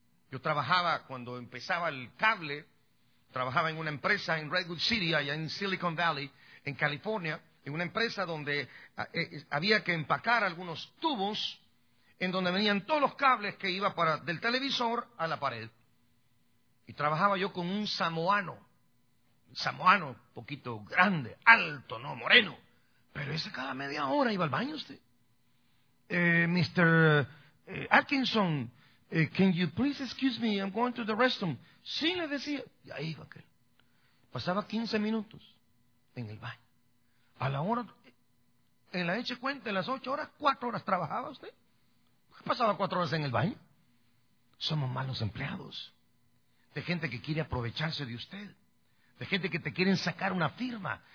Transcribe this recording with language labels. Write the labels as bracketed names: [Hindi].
[Spanish] Yo trabajaba, cuando empezaba el cable, trabajaba en una empresa en Redwood City, allá en Silicon Valley, en California, en una empresa donde había que empacar algunos tubos, en donde venían todos los cables que iba para del televisor a la pared. Y trabajaba yo con un samoano, un poquito grande, alto, ¿no?, moreno. Pero ese cada media hora iba al baño usted. [English] Mr. Atkinson, can you please excuse me, I'm going to the restroom. [Spanish] Sí, le decía. Y ahí iba aquel. Pasaba 15 minutos en el baño. A la hora, en la hecha cuenta, en las 8 horas, 4 horas trabajaba usted. Pasaba 4 horas en el baño. Somos malos empleados. De gente que quiere aprovecharse de usted. De gente que te quieren sacar una firma.